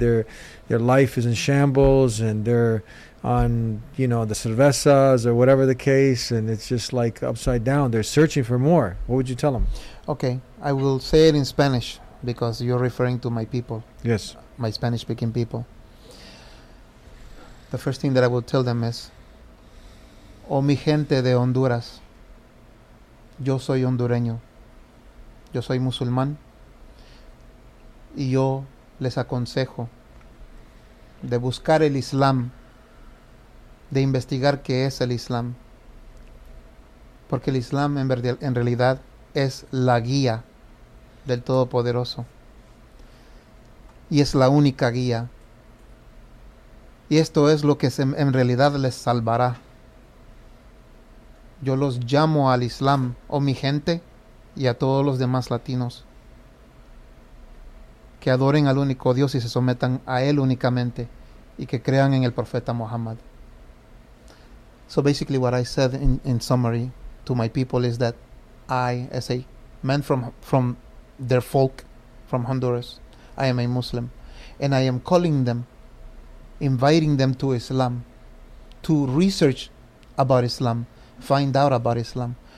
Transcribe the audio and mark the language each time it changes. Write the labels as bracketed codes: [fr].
[en] Their life is in shambles and they're on, you know, the cervezas or whatever the case, and it's just like upside down. They're searching for more. What would you tell them? Okay, I will say it in Spanish because you're referring to my people. Yes. My Spanish-speaking people. The first thing that I will tell them is, oh, [es] mi gente de Honduras, yo soy hondureño, yo soy musulmán, y yo les aconsejo de buscar el Islam, de investigar qué es el Islam, porque el Islam en realidad es la guía del Todopoderoso y es la única guía, y esto es lo que en realidad les salvará. Yo los llamo al Islam, oh mi gente, y a todos los demás latinos, que adoren al único Dios y se sometan a él únicamente, y que crean en el profeta Muhammad. [en] So basically what I said in summary to my people is that I, as a man from their folk, from Honduras, I am a Muslim. And I am calling them, inviting them to Islam, to research about Islam, find out about Islam.